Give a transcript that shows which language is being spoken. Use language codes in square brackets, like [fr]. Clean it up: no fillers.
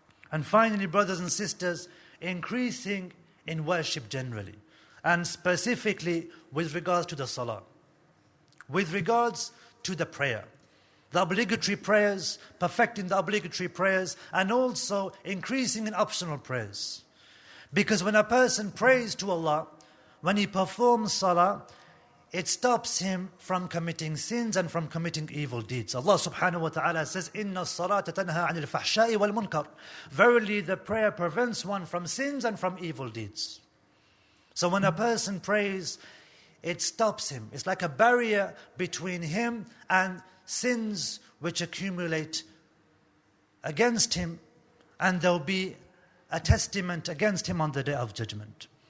[en] And finally, brothers and sisters, increasing in worship generally, and specifically with regards to the salah, with regards to the prayer, the obligatory prayers, perfecting the obligatory prayers, and also increasing in optional prayers. Because when a person prays to Allah, when he performs salah, it stops him from committing sins and from committing evil deeds. Allah subhanahu wa ta'ala says, [ar] إِنَّ الصَّلَاةَ تَنْهَى عَنِ الْفَحْشَاءِ وَالْمُنْكَرِ. [en] Verily, the prayer prevents one from sins and from evil deeds. So when a person prays, it stops him. It's like a barrier between him and sins which accumulate against him, and there'll be a testament against him on the day of judgment.